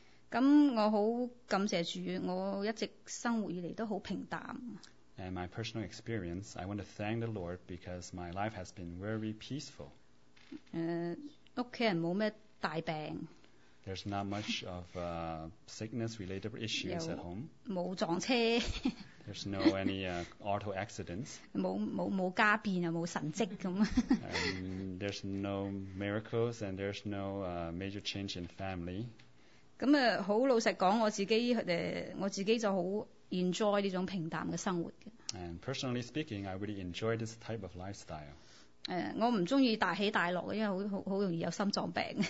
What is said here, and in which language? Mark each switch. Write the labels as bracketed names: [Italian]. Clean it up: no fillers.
[Cantonese] 咁我好感谢主，我一直生活以嚟都好平淡。 [English] And my personal experience, I want to thank the Lord because my life has been very peaceful. [Cantonese] 屋企人冇咩大病。 [English] There's not much of sickness-related issues at home. [Cantonese] 冇撞车。 [English] There's no any auto accidents. [Cantonese] 冇家变又冇神迹咁。 [English] There's no miracles and there's no major change in family. [Cantonese] 咁好老实讲，我自己就好enjoy 呢种平淡嘅生活嘅。 [English] And personally speaking, I really enjoy this type of lifestyle. [Cantonese] 我唔中意大起大落，因为好容易有心脏病。